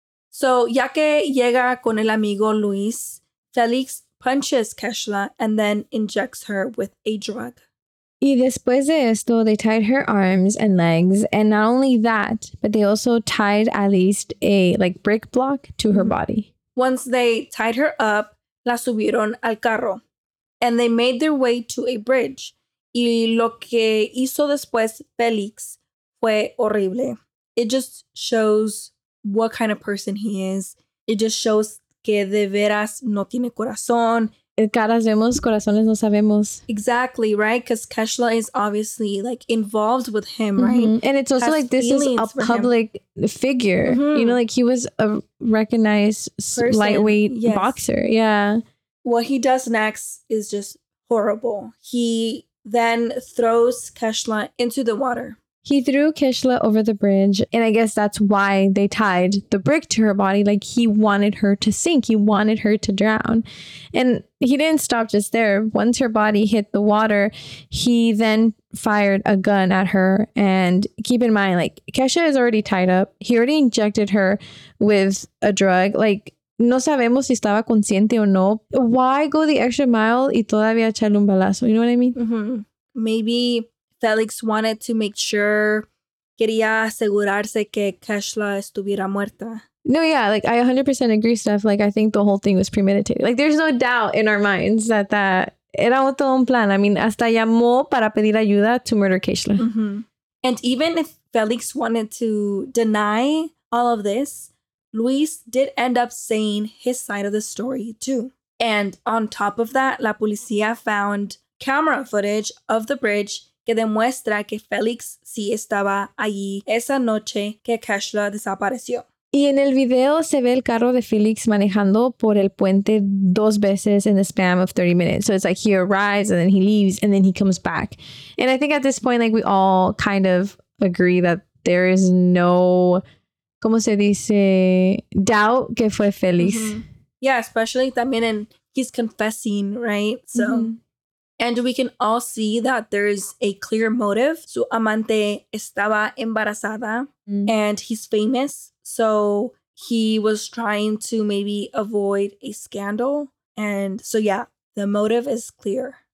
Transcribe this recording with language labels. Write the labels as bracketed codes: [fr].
[en] So [es] ya que llega con el amigo Luis, [en] Felix punches Keishla and then injects her with a drug. [es] Y después de esto, [en] they tied her arms and legs. And not only that, but they also tied at least a, like, brick block to her body. Once they tied her up, [es] la subieron al carro. [en] And they made their way to a bridge. [es] Y lo que hizo después Félix fue horrible. [en] It just shows what kind of person he is. It just shows [es] que de veras no tiene corazón. El caras vemos, corazones no sabemos. [en] Exactly, right? Because Keishla is obviously, like, involved with him, right? Mm-hmm. And it's also has like this is a public figure. Mm-hmm. You know, like, he was a recognized person. Lightweight yes. Boxer. Yeah. What he does next is just horrible. He then throws Keishla into the water. He threw Kishla over the bridge, and I guess that's why they tied the brick to her body. Like, he wanted her to sink. He wanted her to drown. And he didn't stop just there. Once her body hit the water, he then fired a gun at her. And keep in mind, like, Kesha is already tied up. He already injected her with a drug. [es] Like, no sabemos si estaba consciente o no. [en] Why go the extra mile [es] y todavía echarle un balazo? [en] You know what I mean? Mm-hmm. Maybe Felix wanted to make sure, [es] quería asegurarse que Kesha estuviera muerta. [en] No, yeah, like, I 100% agree, Steph. Like, I think the whole thing was premeditated. Like, there's no doubt in our minds that that [es] era todo un plan. [en] I mean, [es] hasta llamó para pedir ayuda [en] to murder Kesha. Mm-hmm. And even if Felix wanted to deny all of this, Luis did end up saying his side of the story, too. And on top of that, [es] la policía [en] found camera footage of the bridge [es] que demuestra que Félix sí estaba allí esa noche que Kesha desapareció. Y en el video se ve el carro de Félix manejando por el puente dos veces [en] in the span of 30 minutes. So it's like he arrives and then he leaves and then he comes back. And I think at this point, like, we all kind of agree that there is no, [es] ¿cómo se dice? [en] Doubt [es] que fue Félix. [en] Mm-hmm. Yeah, especially [es] también [en] en he's confessing, right? So... Mm-hmm. And we can all see that there's a clear motive. [es] Su amante estaba embarazada [en] and he's famous. So he was trying to maybe avoid a scandal. And so, yeah, the motive is clear.